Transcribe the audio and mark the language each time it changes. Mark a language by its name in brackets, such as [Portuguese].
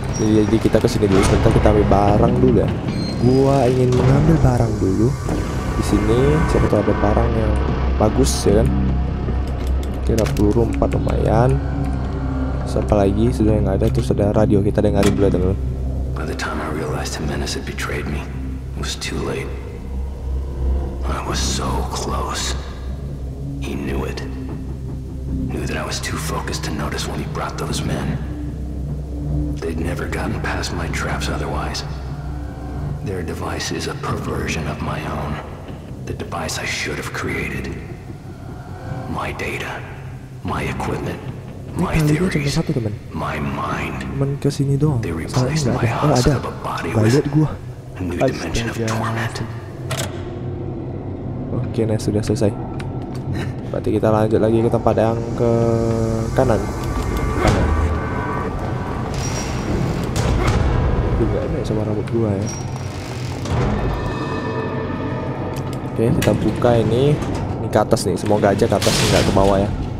[Indonesian] Jadi kita ke sini dulu. Sebentar kita ambil barang dulu ya. Gua ingin mengambil barang dulu. Di sini siapa tahu ada barang yang bagus ya kan. Kira peluru 4 lumayan. Siapa lagi sudah yang ada, terus ada radio kita dengarin dulu teman. [English] By the time I realized Jimenez had betrayed me, it was too late. I was so close. He knew it. Knew that I was too focused to notice when he brought those men. They'd never gotten past my traps otherwise. Their device is a perversion of my own. The device I should have created. My data. My equipment. My theories. My mind. They replaced my husk of a body with a new dimension of torment. [Indonesian] Oke, nah sudah selesai. Berarti kita lanjut lagi ke tempat yang ke kanan. Juga enak sama rambut gua ya. Oke, kita buka ini. Ini ke atas nih. Semoga aja ke atas nggak ke bawah ya.